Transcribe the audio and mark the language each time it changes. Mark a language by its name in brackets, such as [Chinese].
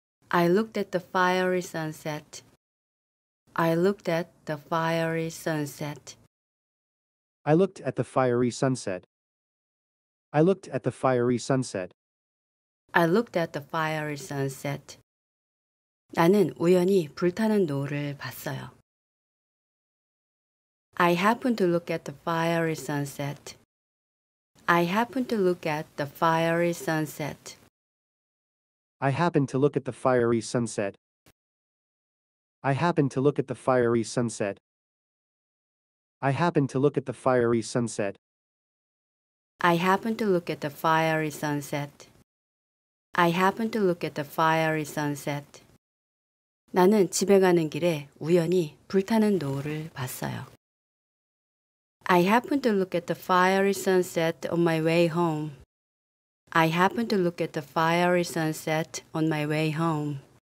[English] I looked at the fiery sunset. I looked at the fiery sunset. I looked at the fiery sunset. I looked at the fiery sunset. I looked at the fiery sunset. [Korean] 나는 우연히 불타는 노을을 봤어요. [English] I happened to look at the fiery sunset. I happened to look at the fiery sunset. I happened to look at the fiery sunset. I happened to look at the fiery sunset. I happened to look at the fiery sunset. I happened to look at the fiery sunset. I happened to look at the fiery sunset. [Korean] 나는 집에 가는 길에 우연히 불타는 노을을 봤어요. [English] I happened to look at the fiery sunset on my way home. I happened to look at the fiery sunset on my way home.